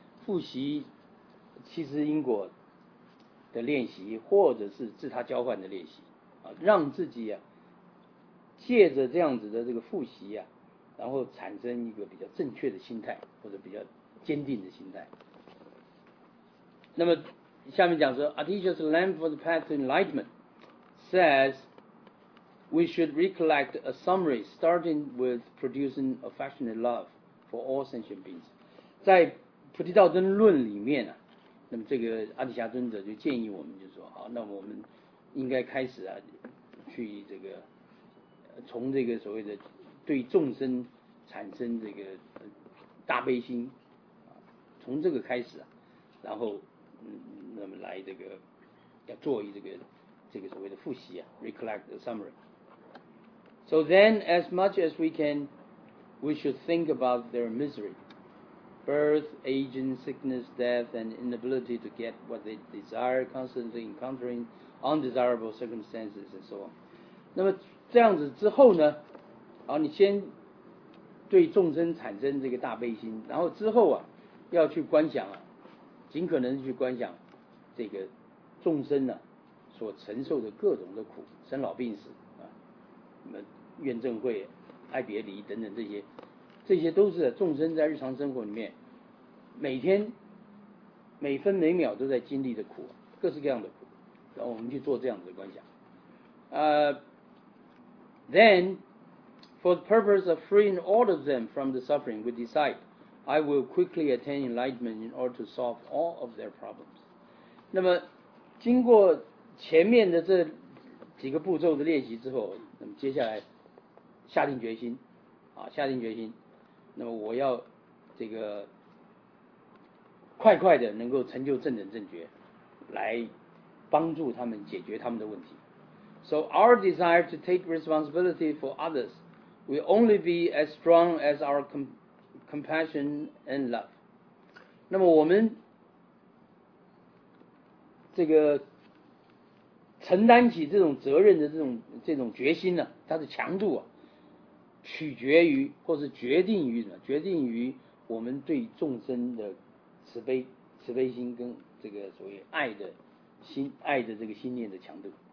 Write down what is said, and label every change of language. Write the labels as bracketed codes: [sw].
[zh] 复习七支因果的练习或者是自他交换的练习啊，让自己啊借着这样子的这个复习啊，然后产生一个比较正确的心态或者比较坚定的心态。 [en] 那么下面讲说 Atisha's Lamp for the Path to Enlightenment says we should recollect a summary starting with producing affectionate love for all sentient beings. [zh] 在菩提道真论里面、啊、那么这个阿底峡尊者就建议我们，就说好，那我们应该开始啊，去这个从这个所谓的对众生产生这个大悲心，从这个开始、啊、然后那么来这个要做一这个所谓的复习啊 recollect the summary. [en] So then as much as we can we should think about their misery birth, aging, sickness, death and inability to get what they desire constantly encountering undesirable circumstances and so on. [zh] 那么这样子之后呢，好，你先对众生产生这个大悲心，然后之后啊要去观想啊，尽可能去观想这个众生呢、啊、所承受的各种的苦，生老病死啊，什么怨憎会、爱别离等等，这些都是众生在日常生活里面每天每分每秒都在经历的苦，各式各样的苦，然后我们去做这样子的观想。 [en] Then, for the purpose of freeing all of them from the suffering, we decide. I will quickly attain enlightenment in order to solve all of their problems. [zh] 那么经过前面的这几个步骤的练习之后，那么接下来下定决心啊，下定决心，那么我要这个快快的能够成就正等正觉，来帮助他们解决他们的问题。 [en] So our desire to take responsibility for others will only be as strong as our compassion and love. [zh] 那么我们这个承担起这种责任的这种决心呢、啊，它的强度啊，取决于或是决定于什么？决定于我们对众生的慈悲心跟这个所谓爱的心、爱的这个心念的强度。